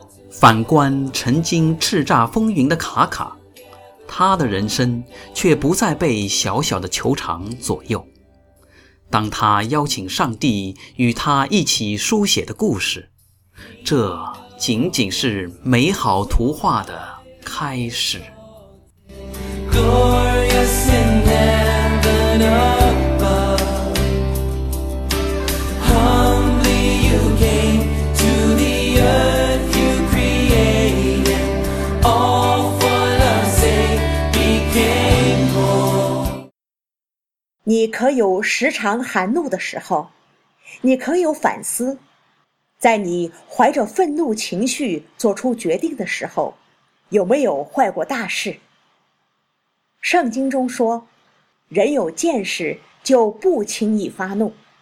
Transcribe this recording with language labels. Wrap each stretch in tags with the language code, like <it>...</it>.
<zh>反观曾经叱咤风云的卡卡，他的人生却不再被小小的球场左右。当他邀请上帝与他一起书写的故事，这仅仅是美好图画的开始。</zh> <en>Glorious in heaven above, humbly you came to the earth you created, all for the sake became poor.</en> <zh>你可有时常含怒的时候？你可有反思？在你怀着愤怒情绪做出决定的时候，有没有坏过大事？圣经中说，人有见识就不轻易发怒。</zh>